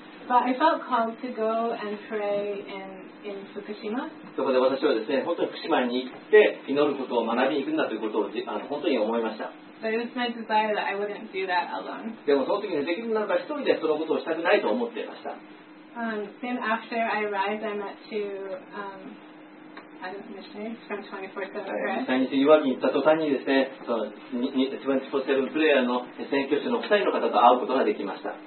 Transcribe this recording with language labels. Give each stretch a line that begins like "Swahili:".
English: But I felt called to go and pray in Fukushima.
Japanese: そこで私はですね、本当に福島に行って祈ることを学びに行くんだということを本当に思いました。
English: But it was my desire that I wouldn't do that alone.
Japanese: でもその時にできるなら一人でそのことをしたくないと思っていました。
English: Then after I arrived, I met to
Japanese: 実際に岩木に行った途端にですね、その24/7 プレイヤーの宣教師の2人の方と会うことができました。